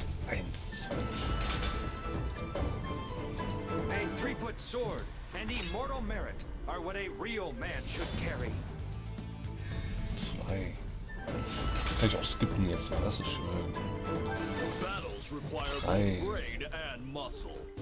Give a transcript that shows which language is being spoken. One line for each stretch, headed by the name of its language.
English: A 3-foot sword and immortal merit are what a real man should carry. 2.
German: Kann ich auch skippen jetzt, das ist schön.
English: Battles require both brain and muscle.